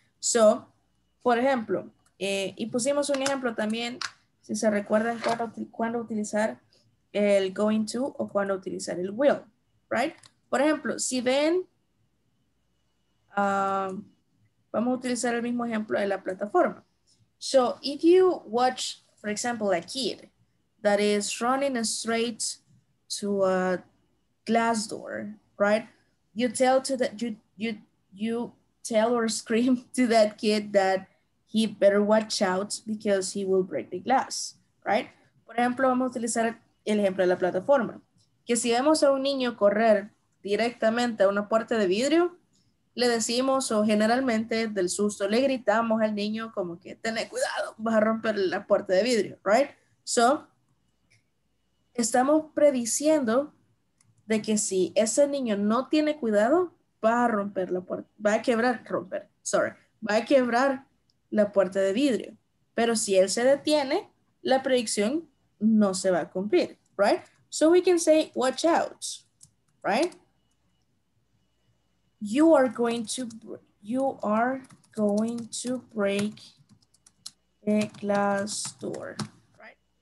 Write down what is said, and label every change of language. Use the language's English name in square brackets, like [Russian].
[Spanish] So, por ejemplo, y pusimos un ejemplo también, si se recuerdan cuándo utilizar el going to o cuando utilizar el will, right? Por ejemplo, si ven, vamos a utilizar el mismo ejemplo de la plataforma. [English] So if you watch, for example, a kid that is running straight to a glass door, right? You tell to that you tell or scream to that kid that he better watch out because he will break the glass, right? [Spanish] Por ejemplo, vamos a utilizar el ejemplo de la plataforma, que si vemos a un niño correr directamente a una puerta de vidrio, le decimos, o generalmente del susto, le gritamos al niño como que ten cuidado, vas a romper la puerta de vidrio, right? So, estamos prediciendo de que si ese niño no tiene cuidado, va a romper la puerta, va a quebrar la puerta de vidrio. Pero si él se detiene, la predicción no se va a cumplir, right? [English] So we can say, watch out, right? You are going to break the glass door, right?